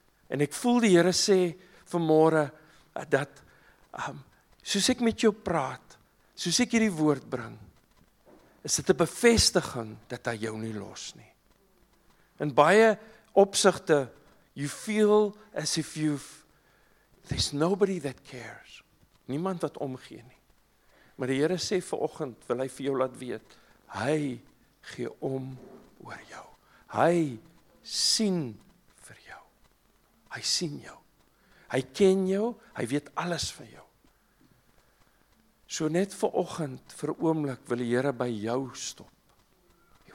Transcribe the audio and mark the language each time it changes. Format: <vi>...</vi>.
<af>En ek voel die Here sê vanmôre dat soos ek met jou praat, soos ek hierdie woord bring, is dit 'n bevestiging dat hy jou nie los nie. In baie opsigte,</af> <en>you feel as if there's nobody that cares.</en> <af>Niemand wat omgee nie. Maar die Here sê vanoggend, wil hy vir jou laat weet, hy gee om oor jou. Hy sien vir jou. Hy sien jou. Hy ken jou, hy weet alles van jou. So net vir oggend, vir oomblik, wil die Here by jou stop. He</af>